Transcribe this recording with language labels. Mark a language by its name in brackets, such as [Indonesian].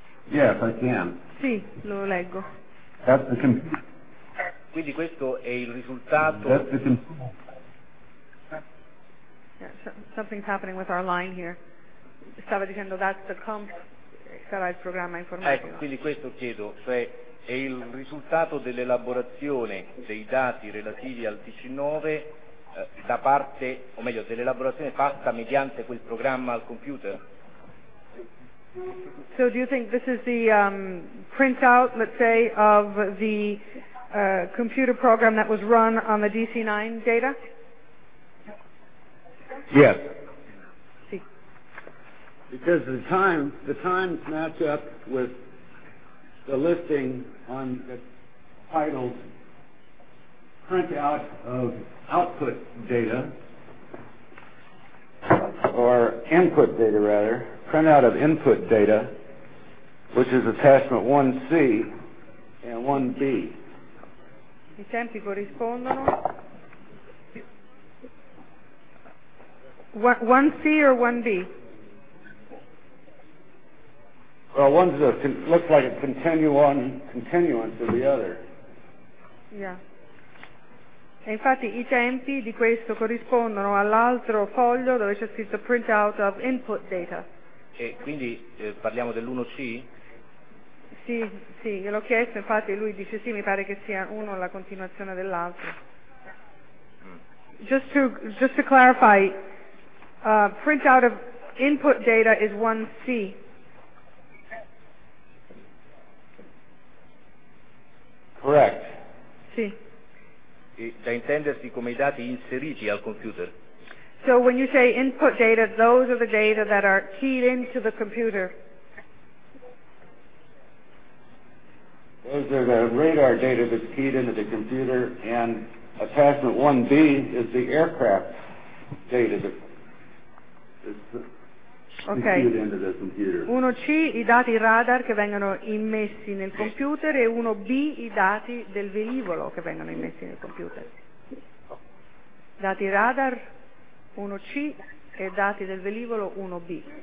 [English] Yes, I can. [Italian] Sì, lo leggo. [English] That's the [Italian] quindi questo è il risultato. [English] That's the yeah, so, something's happening with our line here. [Italian] Stava dicendo [English] that's the comp, [Italian] sarà il programma informativo. Ecco, quindi questo chiedo, cioè è il risultato dell'elaborazione dei dati relativi al D19 da parte, o meglio, dell'elaborazione fatta mediante quel programma al computer? [English] So do you think this is the printout, let's say, of the computer program that was run on the DC9 data? Yes. [Italian] Sí. [English] Because the times match up with the listing on the titled printout of output data, or input data rather, printout of input data, which is attachment 1C and 1B. [Italian] I tempi corrispondono. [English] 1C or 1B? Well, one looks like a continuance of the other. Yeah. [Italian] E infatti i tempi di questo corrispondono all'altro foglio dove c'è scritto [English] printout of input data. [Italian] E quindi parliamo dell'1C? Sì, sì, gliel'ho chiesto, infatti lui dice sì, mi pare che sia uno la continuazione dell'altro. [English] Just to clarify, printout of input data is 1C. Correct. [Italian] Sì. Da intendersi come i dati inseriti al computer. [English] So when you say input data, those are the data that are keyed into the computer. Those are the radar data that's keyed into the computer, and attachment 1B is the aircraft data that is okay. Keyed into the computer. [Italian] 1C, i dati radar che vengono immessi nel computer, e 1B, i dati del velivolo che vengono immessi nel computer. Dati radar 1C e dati del velivolo 1B.